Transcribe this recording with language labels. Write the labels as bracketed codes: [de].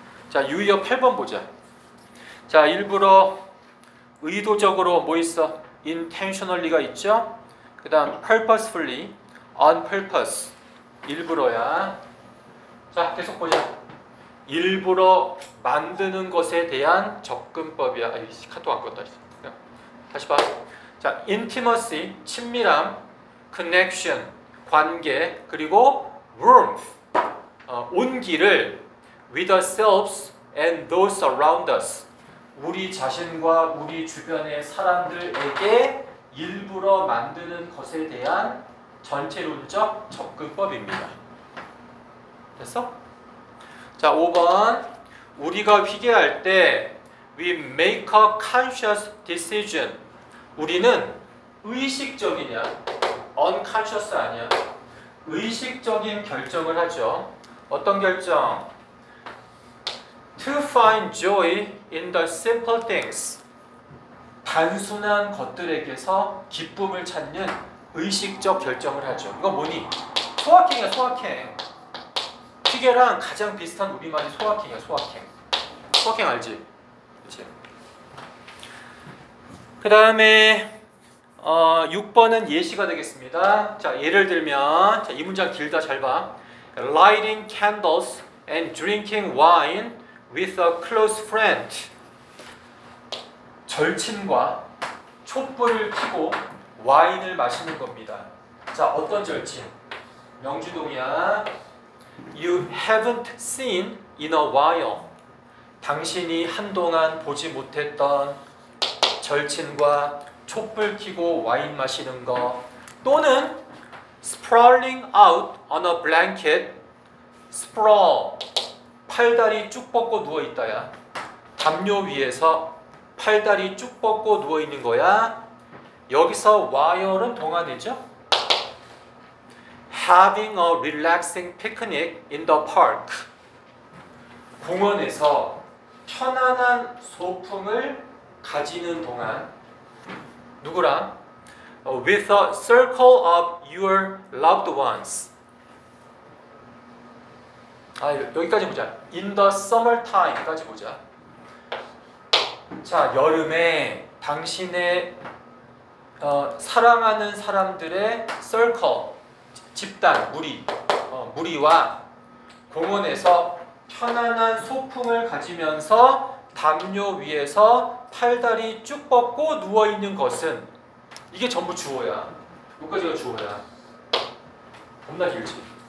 [ko] 자, 유의어 8번 보자. 자, 일부러 의도적으로 뭐 있어? intentionally가 있죠? 그 다음 [en] purposefully, on purpose [ko] 일부러야. 자, 계속 보자. 일부러 만드는 것에 대한 접근법이야. 아이씨, 카톡 안 껐다. 다시 봐. [en] 자, intimacy, 친밀함, connection, 관계, 그리고 warmth, 온기를 with ourselves and those around us. [ko] 우리 자신과 우리 주변의 사람들에게 일부러 만드는 것에 대한 전체론적 접근법입니다. 됐어? 자, 5번. 우리가 휘계할 때 [en] we make a conscious decision. [ko] 우리는 의식적이냐? unconscious 아니야. 의식적인 결정을 하죠. 어떤 결정? [en] To find joy in the simple things. [ko] 단순한 것들에게서 기쁨을 찾는 의식적 결정을 하죠. 이거 뭐니? 소확행이야, 소확행. 휘계랑 가장 비슷한 우리말이 소확행이야, 소확행. 소확행 알지? 그치? 그 다음에 6번은 예시가 되겠습니다. 자, 예를 들면, 자, 이 문장 길다, 잘 봐. [en] Lighting candles and drinking wine with a close friend. [ko] 절친과 촛불을 켜고 와인을 마시는 겁니다. 자, 어떤 절친? 명주동이야. [en] You haven't seen in a while. [ko] 당신이 한동안 보지 못했던 절친과 촛불 켜고 와인 마시는 거. [en] 또는 sprawling out on a blanket. [ko] sprawl 팔다리 쭉 뻗고 누워 있다야. 담요 위에서 팔다리 쭉 뻗고 누워 있는 거야. 여기서 와이어는 동안이죠. [en] having a relaxing picnic in the park. [ko] 공원에서 편안한 소풍을 가지는 동안 누구랑? [en] With a circle of your loved ones. [ko] 아, 여기까지 보자. [en] In the summertime [ko] 까지 보자. 자, 여름에 당신의 사랑하는 사람들의 circle, 집단, 무리, 무리와 공원에서 편안한 소풍을 가지면서 담요 위에서 팔다리 쭉 뻗고 누워있는 것은 이게 전부 주어야. 여기까지가 주어야. 겁나 길지?